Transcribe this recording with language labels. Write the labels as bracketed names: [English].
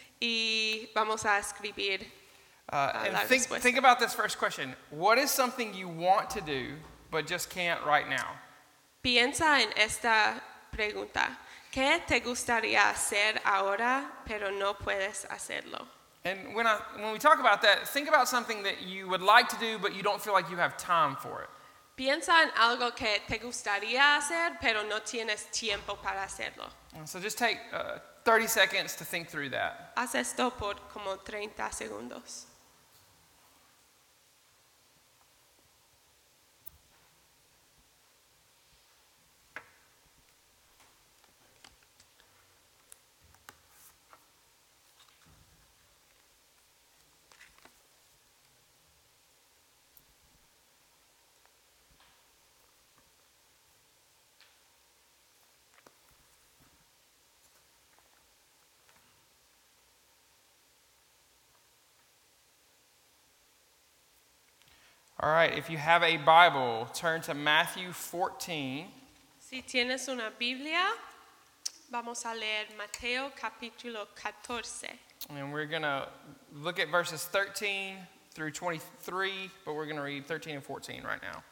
[Spanish] Y vamos a escribir respuesta. [English] Think about this first question. What is something you want to do, but just can't right now? [Spanish] Piensa en esta pregunta. ¿Qué te gustaría hacer ahora, pero no puedes hacerlo? [English] And when we talk about that, think about something that you would like to do, but you don't feel like you have time for it. [Spanish] Piensa en algo que te gustaría hacer, pero no tienes tiempo para hacerlo. [English] And so just take 30 seconds to think through that. [Spanish] Haz esto por como 30 segundos. [English] All right, if you have a Bible, turn to Matthew 14. [Spanish] Si tienes una Biblia, vamos a leer Mateo capítulo 14. [English] And we're going to look at verses 13 through 23, but we're going to read 13 and 14 right now.